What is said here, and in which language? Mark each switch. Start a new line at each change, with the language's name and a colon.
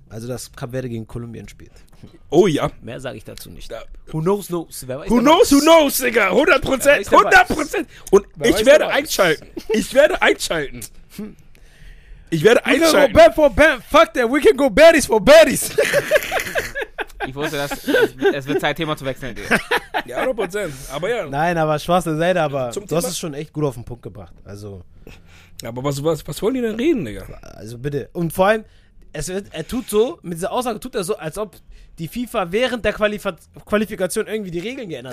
German: Also dass Kap Verde gegen Kolumbien spielt. Oh ja. Mehr sage ich dazu nicht.
English: Who knows, knows.
German: Wer weiß,
English: who knows,
German: Digga. 100%. 100%. Und ich werde einschalten. Ich werde einschalten.
English: We can go bad for bad. Fuck that. We can go baddies for baddies.
German: Ich wusste, dass es wird Zeit, Thema zu wechseln. Ja, 100%. Aber ja. Nein, aber Spaß beiseite, aber du hast es schon echt gut auf den Punkt gebracht. Also. Aber was wollen die denn reden, Digga? Also bitte. Und vor allem, er tut so, mit dieser Aussage tut er so, als ob die FIFA während der Qualifikation irgendwie die Regeln geändert